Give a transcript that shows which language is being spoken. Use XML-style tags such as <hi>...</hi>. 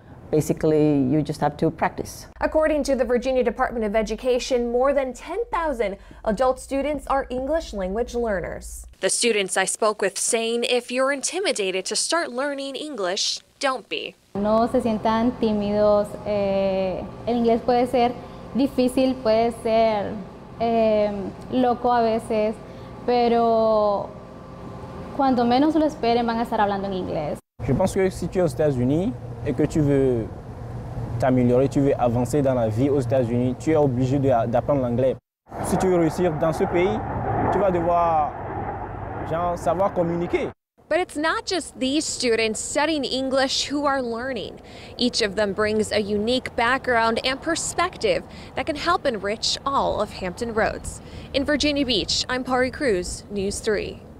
<en>Basically, you just have to practice. According to the Virginia Department of Education, more than 10,000 adult students are English language learners. The students I spoke with saying if you're intimidated to start learning English, don't be.</en> <es>No se sientan tímidos. El inglés puede ser difícil, puede ser loco a veces, pero cuando menos lo esperen van a estar hablando en inglés.</es> <fr>Je pense que si tu es aux États-Unis et que tu veux t'améliorer, tu veux avancer dans la vie aux États-Unis, tu es obligé d'apprendre l'anglais. Si tu veux réussir dans ce pays, tu vas devoir savoir communiquer.</fr> <en>But it's not just these students studying English who are learning. Each of them brings a unique background and perspective that can help enrich all of Hampton Roads. In Virginia Beach, I'm Pari Cruz, News 3.</en>